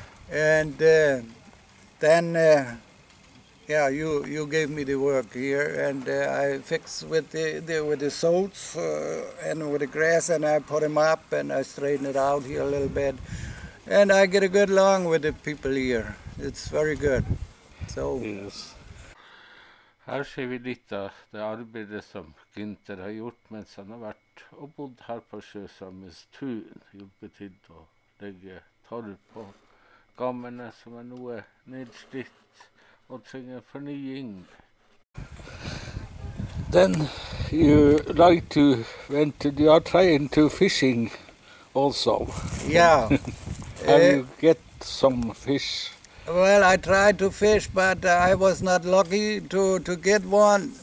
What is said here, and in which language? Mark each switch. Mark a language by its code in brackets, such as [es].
[en] And then, you gave me the work here, and I fixed with the salts and with the grass, and I put them up, and I straightened it out here a little bit. And I get a good along with the people here. It's very good. So yes. [no] Her ser vi litt av det arbeidet som Gunther har gjort mens han har vært og bodd her på Sjøsamisk Tun. Hjulpet til å legge torv på gammene som er noe nedslitt og trenger fornying. [en] Then you like to went to, you are trying to fishing also. Yeah. And you get some fish. Well, I tried to fish, but I was not lucky to get one.